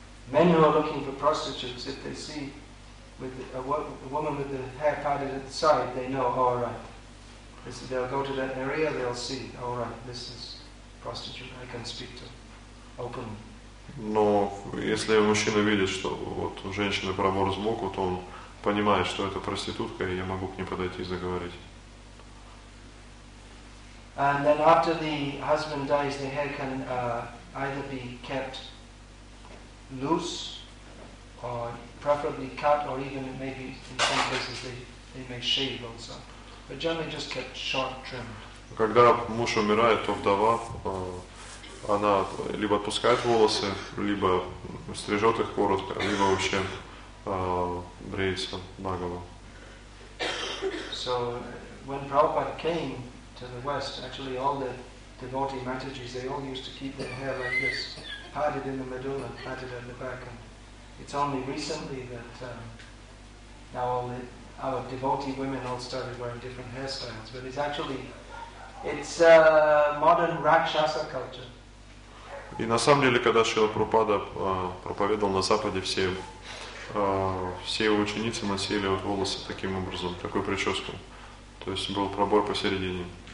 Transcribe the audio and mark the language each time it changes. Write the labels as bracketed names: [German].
[English] Men who are looking for prostitutes, if they see with a woman with the hair parted at the side, they know, all right. They'll go to that area, they'll see, all right, this is a prostitute I can speak to openly. [Russian] Но если мужчина видит, что вот у женщины пробор сбоку, то он понимает, что это проститутка, и я могу к ней подойти и заговорить. [English] And then after the husband dies, the hair can either be kept loose, or preferably cut, or even maybe in some cases they may shave also, but generally just kept short trimmed. [Russian] Когда муж умирает, то вдова она либо отпускает волосы, либо стрижет их коротко, либо вообще бреется наголо. [English] So when Prabhupada came to the West, actually all the devotee Matajis, they all used to keep their hair like this. Parted in the medulla, parted at the back, and it's only recently that now all the, our devotee women all started wearing different hairstyles. But it's actually it's modern rakshasa culture. [Russian] И на самом деле, когда Шрила Прабхупада проповедовал на Западе, все все его ученицы носили вот волосы таким образом, такую прическу, то есть был пробор посередине.